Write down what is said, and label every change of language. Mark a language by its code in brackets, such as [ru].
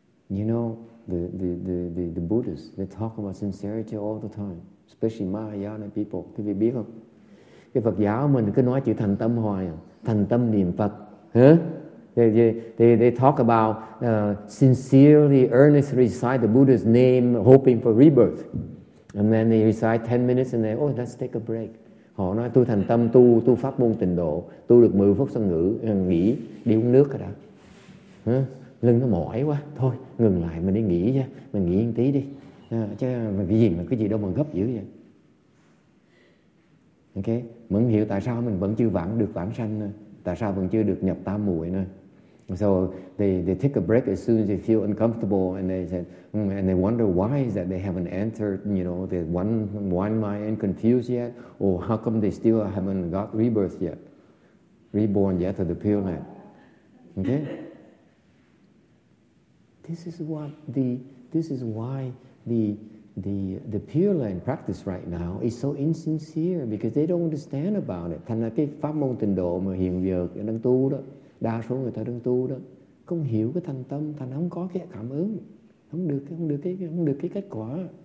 [en] You know, the Buddhists, they talk about sincerity all the time, especially Mahayana people. [vi] Quý vị biết không? Cái Phật giáo mình cứ nói chữ thành tâm hoài, thành tâm niệm Phật. Huh? [en] They talk about sincerely, earnestly recite the Buddha's name, hoping for rebirth. And then they recite 10 minutes and they, oh, let's take a break. [vi] Họ nói tu thành tâm, tu pháp môn tịnh độ, tu được 10 phút sân ngữ, nghỉ, đi uống nước rồi đó. Lưng nó mỏi quá, thôi, ngừng lại, mình đi nghỉ chứ, mình nghỉ một tí đi. Chứ mà cái gì mà cái gì đâu mà gấp dữ vậy. Ok, mình hiểu tại sao mình vẫn chưa vãng sanh, tại sao vẫn chưa được nhập tam muội nữa. [en] So they take a break as soon as they feel uncomfortable, and they said, and they wonder why is that they haven't entered, you know, the one mind confused yet, or how come they still haven't got rebirth yet, reborn yet to the Pure Land. Okay? This is why the Pure Land practice right now is so insincere, because they don't understand about it. [vi] Thành ra cái pháp môn tịnh độ mà hiện giờ đang tu đó, đa số người ta đang tu đó, không hiểu cái thành tâm, thành không có cái cảm ứng, không được cái kết quả.